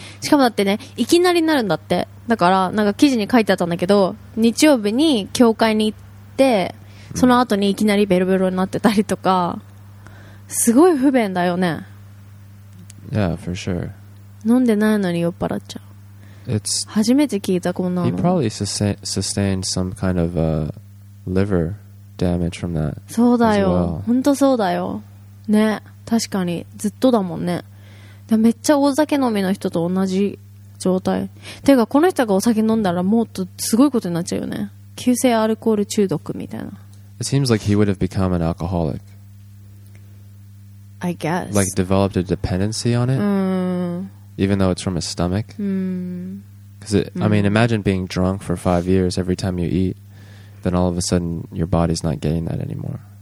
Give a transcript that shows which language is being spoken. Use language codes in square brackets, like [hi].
[ja] しかもだってね、いきなりになるんだって。だからなんか記事に書いてあったんだけど、日曜日に教会に行って、その後にいきなりベロベロになってたりとか、すごい不便だよね。 [en] Yeah, for sure. [ja] 飲んでないのに酔っ払っちゃう。初めて聞いたこんなの。 [en] He probably sustained some kind of liver damage from that. [ja] そうだよ。本当そうだよ。ね、確かにずっとだもんね。めっちゃ大酒飲みの人と同じ。状態てかこの人がお酒飲んだらもっとすごいことになっちゃうよね。急性アルコール中毒みたいな。 [en] It seems like he would have become an alcoholic, I guess, like developed a dependency on it, even though it's from his stomach, because I mean, imagine being drunk for 5 years every time you eat, then all of a sudden your body's not getting that anymore.